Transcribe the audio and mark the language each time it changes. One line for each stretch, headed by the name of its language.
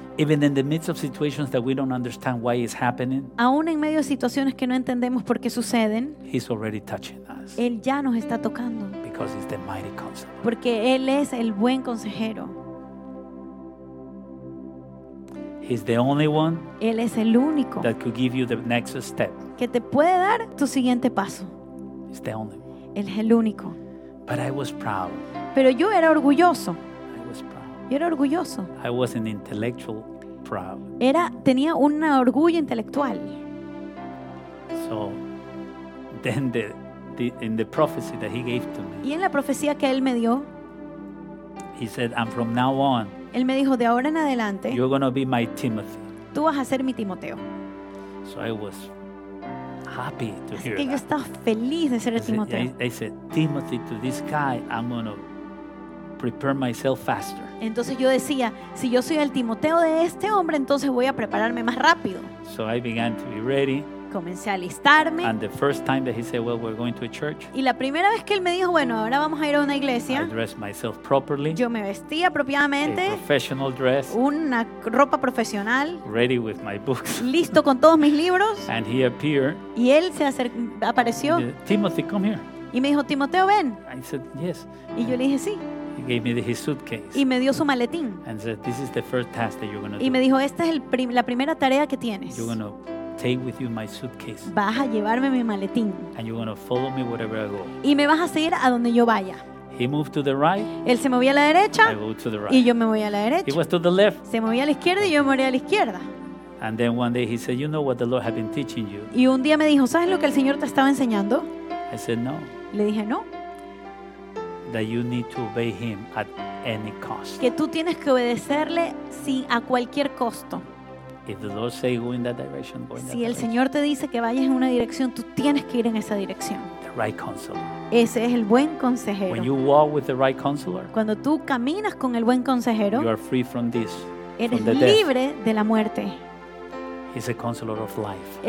English: Even in the midst of situations that we don't understand why it's happening.
Spanish: Aún en medio de situaciones que no entendemos por qué suceden.
English: He's already touching us.
Spanish: Él ya nos está tocando.
English: Because he's the mighty counselor.
Spanish: Porque él es el buen consejero.
English: He's the only one.
Spanish: Él es el único.
English: That could give you the next step.
Spanish: Que te puede dar tu siguiente paso.
English: He's the only.
Spanish: Él es el único.
English: But I was proud.
Spanish: Pero yo era orgulloso.
English: I was proud.
Spanish: Yo era orgulloso.
English: I was an intellectual proud.
Spanish: Era tenía un orgullo intelectual.
English: So then in the prophecy that he gave to me.
Spanish: Y en la profecía que él me dio.
English: He said, "And from now on."
Spanish: Él me dijo, de ahora en adelante,
English: you're gonna be my Timothy.
Spanish: Tú vas a ser mi Timoteo.
English: So I was happy to
Spanish: Así
English: hear
Spanish: que
English: that.
Spanish: Yo estaba feliz de ser el Timoteo.
English: I said, Timothy, to this guy, I'm gonna prepare myself faster.
Spanish: Entonces yo decía, si yo soy el Timoteo de este hombre, entonces voy a prepararme más rápido.
English: So I began to be ready.
Spanish: Comencé a alistarme.
English: And the first time that he said, well, we're going to a church.
Spanish: Y la primera vez que él me dijo, bueno, ahora vamos a ir a una iglesia.
English: I dressed myself properly.
Spanish: Yo me vestí apropiadamente.
English: A professional dress.
Spanish: Una ropa profesional.
English: Ready with my books.
Spanish: Listo con todos mis libros.
English: And he appeared.
Spanish: Y él se apareció.
English: He said, Timothy, come here.
Spanish: Y me dijo, Timoteo, ven.
English: I said, yes.
Spanish: Y yo le dije, sí.
English: He gave me his suitcase.
Spanish: Y me dio su maletín.
English: And said, this is the first task that you're going to do.
Spanish: Y me dijo, esta es la primera tarea que tienes.
English: You're going to take with you my suitcase.
Spanish: Vas a llevarme mi maletín.
English: And you're gonna follow me wherever I go.
Spanish: Y me vas a seguir a donde yo vaya.
English: He moved to the right.
Spanish: Él se movía a la derecha.
English: I moved to the right.
Spanish: Y yo me movía a la derecha.
English: He was to the left.
Spanish: Se movía a la izquierda y yo me movía a la izquierda.
English: And then one day he said, "You know what the Lord has been teaching you?"
Spanish: Y un día me dijo, "¿Sabes lo que el Señor te estaba enseñando?"
English: I said, "No."
Spanish: Le dije, "No."
English: That you need to obey him at any cost.
Spanish: Que tú tienes que obedecerle sin a cualquier costo.
English: If the Lord say go in that direction, go in
Spanish: si
English: that
Spanish: el Señor Te dice que vayas en una dirección, tú tienes que ir en esa dirección.
English: The right counselor.
Spanish: Ese es el buen consejero.
English: When you walk with the right counselor,
Spanish: cuando tú caminas con el buen consejero,
English: you are free from this,
Spanish: eres
English: from the
Spanish: libre
English: death.
Spanish: De la muerte.
English: He's a counselor of life.